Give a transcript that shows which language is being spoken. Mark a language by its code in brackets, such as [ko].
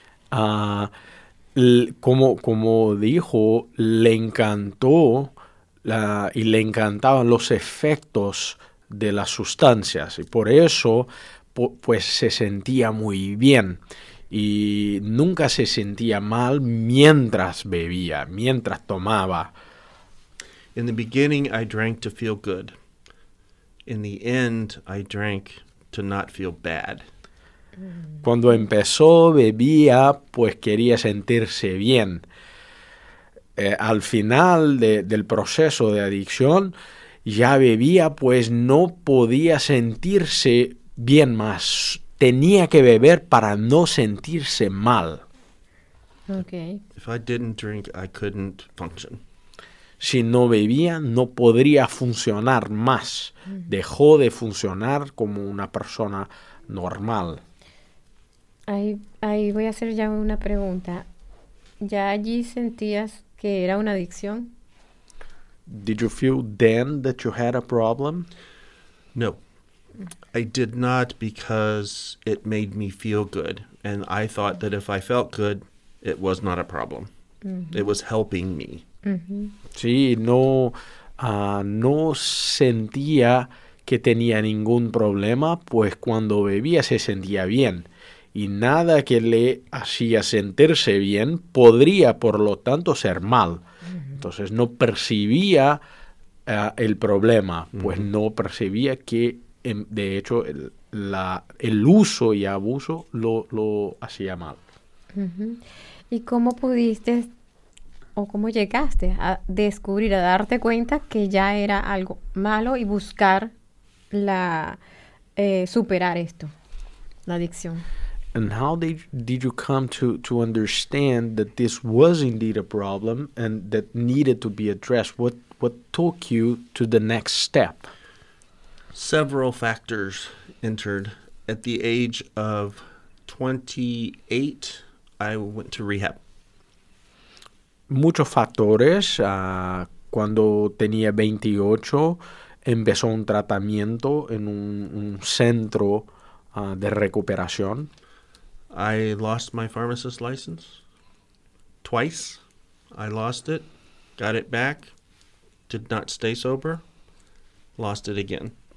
[es] Como dijo, le encantó y le encantaban los efectos de las sustancias, y por eso pues se sentía muy bien y nunca se sentía mal mientras bebía, mientras tomaba. [en] In the beginning I drank to feel good. In the end I drank to not feel bad. [es] Cuando empezó, bebía, pues quería sentirse bien. Al final del proceso de adicción, ya bebía, pues no podía sentirse bien más. Tenía que beber para no sentirse mal. [en] Okay. If I didn't drink, I couldn't function. [es] Si no bebía, no podría funcionar más. Dejó de funcionar como una persona normal. Ahí voy a hacer ya una pregunta. ¿Ya allí sentías que era una adicción? [en] Did you feel then that you had a problem? No. I did not, because it made me feel good. And I thought that if I felt good, it was not a problem. Mm-hmm. It was helping me. [es] Sí, no sentía que tenía ningún problema, pues cuando bebía se sentía bien. Y nada que le hacía sentirse bien podría, por lo tanto, ser mal. Entonces, no percibía el problema, pues no percibía que, de hecho, el uso y abuso lo hacía mal. ¿Y cómo pudiste o cómo llegaste a descubrir, a darte cuenta que ya era algo malo y buscar superar esto, la adicción? [en] And how did you come to understand that this was indeed a problem and that needed to be addressed? What took you to the next step? Several factors entered. At the age of 28, I went to rehab. [es] Muchos factores. Cuando tenía 28, empezó un tratamiento en un centro de recuperación. [en] I lost my pharmacist license twice. I lost it, got it back, did not stay sober, lost it again.